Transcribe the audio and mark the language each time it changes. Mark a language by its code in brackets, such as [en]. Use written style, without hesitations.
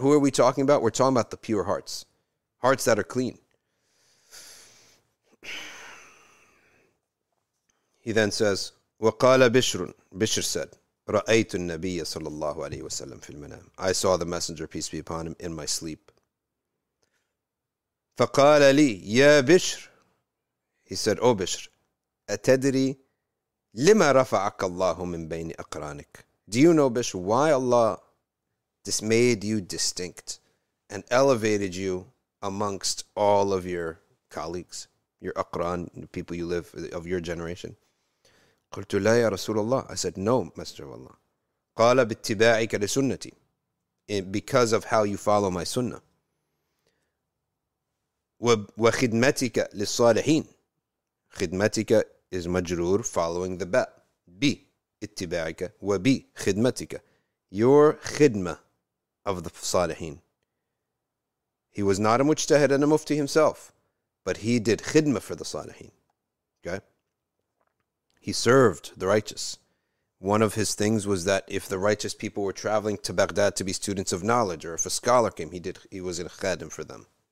[en] Who are we talking about? We're talking about the pure hearts. Hearts that are clean. He then says, [ar] وَقَالَ بِشْرٌ [en] Bishr said, [ar] رَأَيْتُ النَّبِيَّ صَلَى اللَّهُ عَلَيْهِ وَسَلَّمْ فِي الْمَنَامِ [en] I saw the Messenger, peace be upon him, in my sleep. [ar] فَقَالَ لِي يَا بِشْرٌ [en] He said, O Bishr, [ar] أتدري لما رفعك الله من بين أقرانك? [en] Do you know, Bishr, why Allah made you distinct and elevated you amongst all of your colleagues, your أقران, the people you live with, of your generation? [ar] قلت لا يا رسول الله. [en] I said, no, Master of Allah. [ar] قال باتباعك لسنتي. [en] Because of how you follow my sunnah. [ar] وخدمتك للصالحين. [en] خدمتك is مجرور following the ba. [ar] B, اتباعك و B, خدمتك. [en] Your خدمة of the صالحين. He was not a mujtahid and a mufti himself, but he did خدمة for the صالحين. Okay? He served the righteous. One of his things was that if the righteous people were traveling to Baghdad to be students of knowledge, or if a scholar came, he was in خدم for them.